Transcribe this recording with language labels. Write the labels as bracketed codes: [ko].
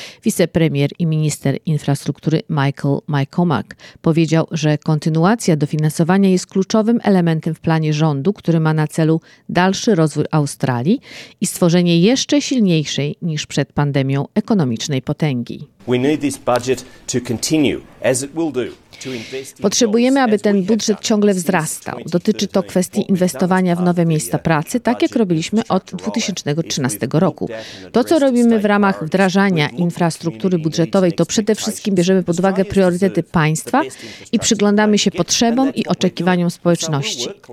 [pl] Wicepremier i minister infrastruktury Michael McCormack powiedział, że kontynuacja dofinansowania jest kluczowym elementem w planie rządu, który ma na celu dalszy rozwój Australii i stworzenie jeszcze silniejszej niż przed pandemią ekonomicznej potęgi. [en] We need this budget to continue, as it will do. [pl] Potrzebujemy, aby ten budżet ciągle wzrastał. Dotyczy to kwestii inwestowania w nowe miejsca pracy, tak jak robiliśmy od 2013 roku. To, co robimy w ramach wdrażania infrastruktury budżetowej, to przede wszystkim bierzemy pod uwagę priorytety państwa i przyglądamy się potrzebom i oczekiwaniom społeczności.